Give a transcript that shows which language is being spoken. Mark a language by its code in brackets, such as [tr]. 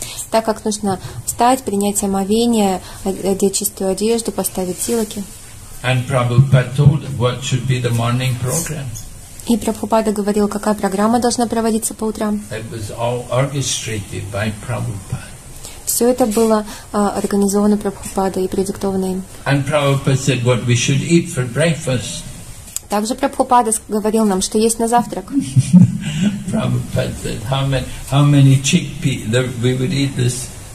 [ru] Так как нужно встать, принять омовение, одеть чистую одежду, поставить тилаки. [en] And Prabhupada told what should be the morning program. [ru] И Прабхупада говорил, какая программа должна проводиться по утрам. [en] It was all orchestrated by Prabhupada. [ru] Все это было организовано Прабхупадой и продиктовано им. [en] And Prabhupada said what we should eat for breakfast. [ru] Также Прабхупада говорил нам, что есть на завтрак. [en] Prabhupada said how many chickpea that we would eat this.